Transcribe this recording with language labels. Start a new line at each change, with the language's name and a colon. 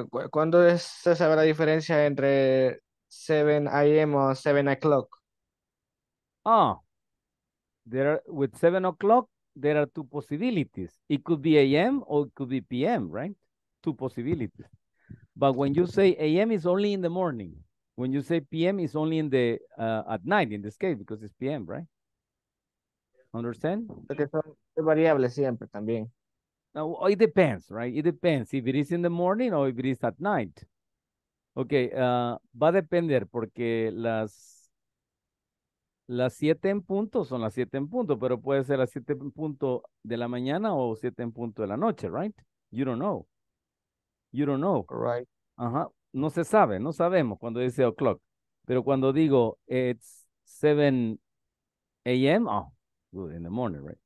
Spanish: ¿Cuándo se sabe la diferencia entre 7 a.m.
English: o 7 o'clock? Oh, there are, with 7 o'clock, there are two possibilities. It could be a.m. or it could be p.m., right? Two possibilities. But when you say a.m. is only in the morning. When you say p.m. is only in the at night, in this case, because it's p.m., right? Understand?
Spanish: Porque son variables siempre también.
English: No, it depends, right? It depends if it is in the morning or if it is at night.
Spanish: Okay, va a depender porque las siete en punto son las siete en punto, pero puede ser las siete en punto de la mañana o siete en punto de la noche, right?
English: You don't know. You don't know. Right.
Spanish: Ajá. No se sabe, no sabemos cuando dice o'clock. Pero cuando digo
English: it's 7 a.m., oh, good, in the morning, right?